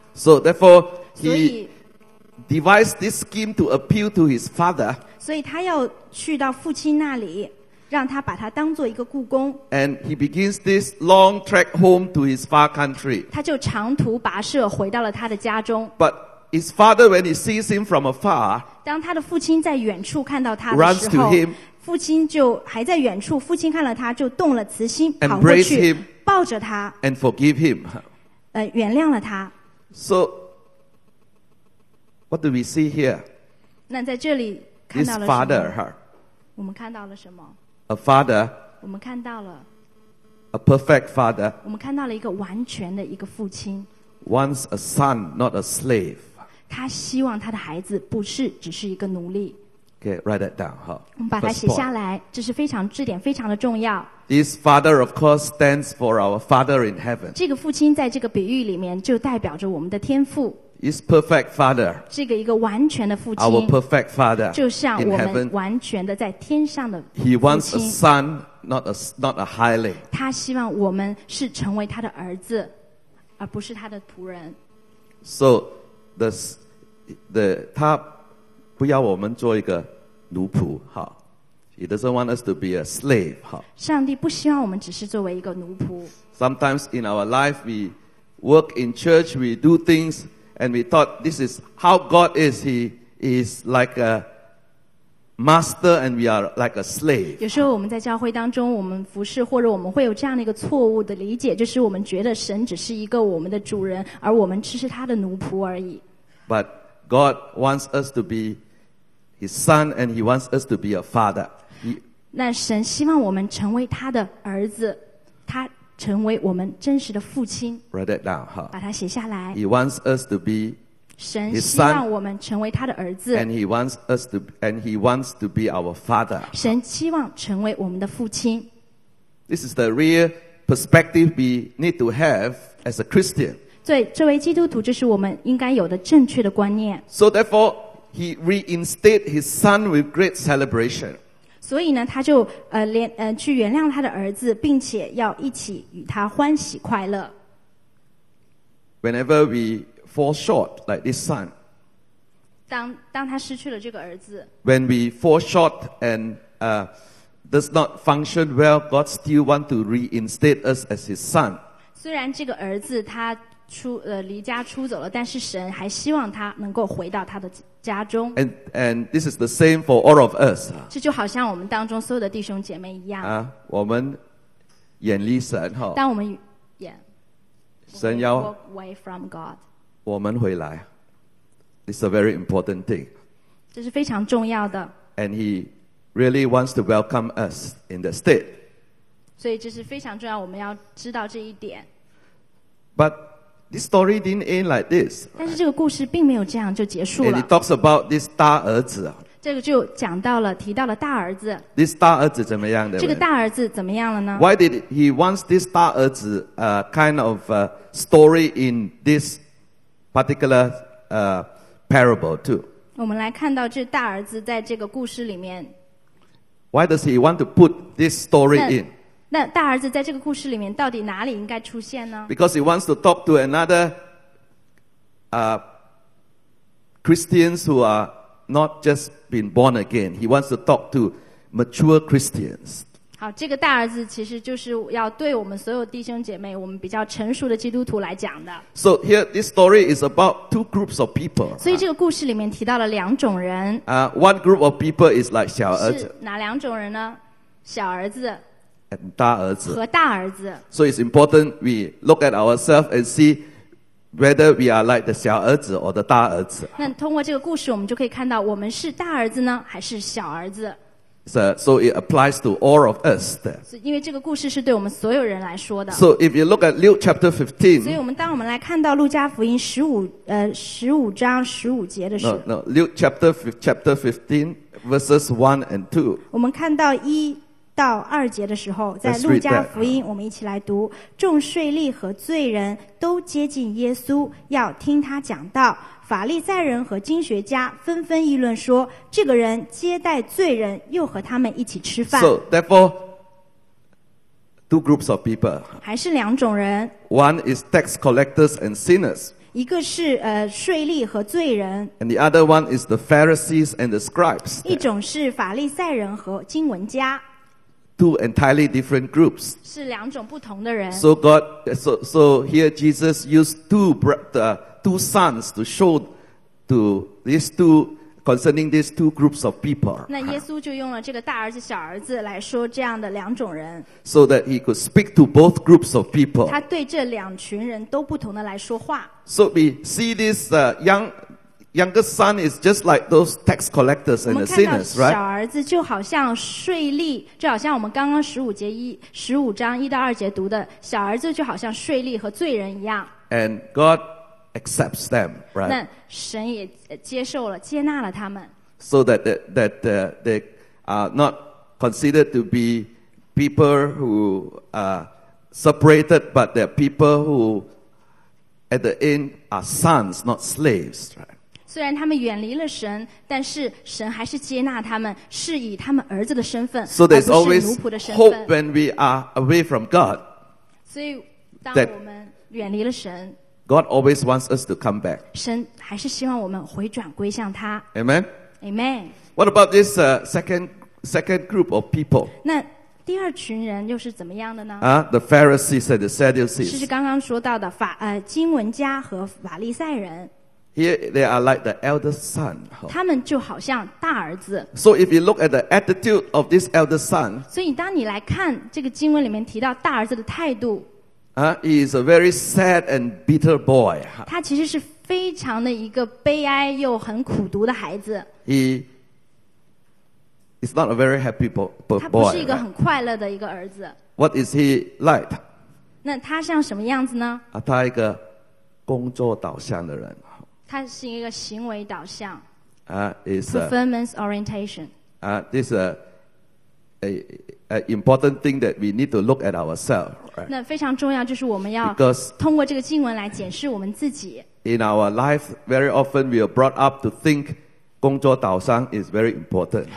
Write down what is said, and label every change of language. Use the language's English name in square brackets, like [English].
[English] So therefore, he devised this scheme to appeal to his father. [Chinese] 所以他要去到父亲那里。让他把他当做一个雇工。 [English] And he begins this long trek home to his far country. [Chinese] 他就长途跋涉回到了他的家中。 [English] But his father, when he sees him from afar, [Chinese] 当他的父亲在远处看到他的时候 [English] runs to him, [Chinese] 父亲就还在远处，父亲看了他就动了慈心，跑过去 [English] embrace him, [Chinese] 抱着他 [English] and forgive him, [Chinese] 原谅了他。 [English] So, what do we see here? [Chinese] 那在这里看到了什么？ [English] His father, huh? [Chinese] 我们看到了什么？ [English] A father, [Chinese] 我们看到了 [English] a perfect father, [Chinese] 我们看到了一个完全的一个父亲 [English] wants a son, not a slave. [Chinese] 他希望他的孩子不是只是一个奴隶 [English] Okay, write that down, huh? [Chinese] 我们把它写下来，这是非常，这点非常的重要。 [English] This father, of course, stands for our father in heaven. [Chinese] 这个父亲在这个比喻里面就代表着我们的天父。 [English] is perfect father. [Chinese] 是一个完全的父亲。 [English] Our perfect father. [Chinese] 就像我们完全的在天上的父亲。 [English] He wants a son, not a hireling. [Chinese] 他希望我们是成为他的儿子，而不是他的仆人。 [English] So, the [Chinese] 他不要我们做一个奴仆，好。 [English] He doesn't want us to be a slave. [Chinese] 上帝不希望我们只是作为一个奴仆。 [English] Sometimes in our life, we work in church, we do things. And we thought this is how God is. He is like a master, and we are like a slave. [Chinese] 有时候我们在教会当中，我们服侍，或者我们会有这样的一个错误的理解，就是我们觉得神只是一个我们的主人，而我们只是他的奴仆而已。 [English] But God wants us to be His son, and He wants us to be a father. [Chinese] 那神希望我们成为他的儿子，他。成为我们真实的父亲 [English] Write it down, [Chinese] 把它写下来 [English] He wants us to be his son, [Chinese] 神希望我们成为他的儿子 [English] and he wants to be our father [Chinese] 神希望成为我们的父亲 [English] This is the real perspective we need to have as a Christian [Chinese] 对这位基督徒这是我们应该有的正确的观念 [English] So therefore he reinstated his son with great celebration [Chinese] 所以呢，他就去原谅他的儿子，并且要一起与他欢喜快乐。 [English] Whenever we fall short like this son, [Chinese] 当他失去了这个儿子 [English] ，When we fall short and does not function well, God still wants to reinstate us as His son. [Chinese] 虽然这个儿子他离家出走了，但是神还希望他能够回到他的。家中 [English] and this is the same for all of us. [Chinese] 这就好像我们当中所有的弟兄姐妹一样。我们远离神哈。当我们远，神要 [English] walk away from God. [Chinese] 我们回来 [English] ，it's a very important thing. [Chinese] 这是非常重要的。 [English] And He really wants to welcome us in the state. [Chinese] 所以这是非常重要，我们要知道这一点。 [English] But This story didn't end like this. [Chinese] 但是这个故事并没有这样就结束了。 [English] And it talks about this 大儿子。 [Chinese] 这个就讲到了，提到了大儿子。 [English] This [Chinese] 大儿子怎么样的？这个大儿子怎么样了呢 [English] ？Why did he wants this 大儿子kind of story in this particular parable too? [Chinese] 我们来看到这大儿子在这个故事里面。 [English] Why does he want to put this story in? [Chinese] 那大儿子在这个故事里面到底哪里应该出现呢 [English] ？Because he wants to talk to another Christians who are not just been born again. He wants to talk to mature Christians. [Chinese] 好，这个大儿子其实就是要对我们所有弟兄姐妹，我们比较成熟的基督徒来讲的。 [English] So here, this story is about two groups of people. [Chinese] 所以这个故事里面提到了两种人。 [English] One group of people is like 小儿子。 [Chinese] 是哪两种人呢？小儿子。 [English] And 大儿子 [Chinese] 和大儿子 [English] So it's important we look at ourselves and see whether we are like the 小儿子 or the 大儿子 [Chinese] 那通过这个故事我们就可以看到我们是大儿子呢还是小儿子 [English] So it applies to all of us [Chinese] 因为这个故事是对我们所有人来说的 [English] So if you look at Luke chapter 15 [Chinese] 所以当我们来看到路加福音15章15节的时候 [English] No, Luke chapter 15 verses 1 and 2 [Chinese] 我们看到一到二节的时候在路加福音我们一起来读众税吏和罪人都接近耶稣要听他讲道法利赛人和经学家纷纷议论说这个人接待罪人又和他们一起吃饭 [English] So therefore two groups of people [Chinese] 还是两种人 [English] One is tax collectors and sinners [Chinese] 一个是税吏和罪人 [English] And the other one is the Pharisees and the scribes [Chinese] 一种是法利赛人和经文家 [English] Two entirely different groups. [Chinese] 是两种不同的人。 [English] So God, so here Jesus used two sons to show to these two concerning these two groups of people. [Chinese] 那耶稣就用了这个大儿子、小儿子来说这样的两种人。 [English] So that he could speak to both groups of people. [Chinese] 他对这两群人都不同的来说话。 [English] So we see this youngest son is just like those tax collectors and the sinners, right? [Chinese] 小儿子就好像税吏，就好像我们刚刚十五章一到二节读的，小儿子就好像税吏和罪人一样。 [English] And God accepts them, right? [Chinese] 那神也接受了，接纳了他们。 [English] So that they are not considered to be people who are separated, but they're people who at the end are sons, not slaves, right? [Chinese] 虽然他们远离了神，但是神还是接纳他们，是以他们儿子的身份，而不是奴仆的身份。 [English] So there's always hope when we are away from God. [Chinese] 所以当我们远离了神， [English] God always wants us to come back. [Chinese] 神还是希望我们回转归向他。 [English] Amen. Amen. What about this second group of people? [Chinese] 那第二群人又是怎么样的呢？ [English] The Pharisees and the Sadducees. [Chinese] 是刚刚说到的法经文家和法利赛人。 [English] Here they are like the eldest son. [Chinese] 他们就好像大儿子。 [English] So if you look at the attitude of this eldest son. [Chinese] 所以当你来看这个经文里面提到大儿子的态度。 [English] He is a very sad and bitter boy. [Chinese] 他其实是非常的一个悲哀又很苦读的孩子。 [English] He is not a very happy boy. [Chinese] 他不是一个很快乐的一个儿子。 [English] What is he like? [Chinese] 那他像什么样子呢？他一个工作导向的人。他是一个行为导向。 [English] Is performance orientation. This is an important thing that we need to look at ourselves. Right? [Chinese] 那非常重要，就是我们要通过这个经文来检视我们自己。 [English] In our life, very often we are brought up to think 工作导向 is very important.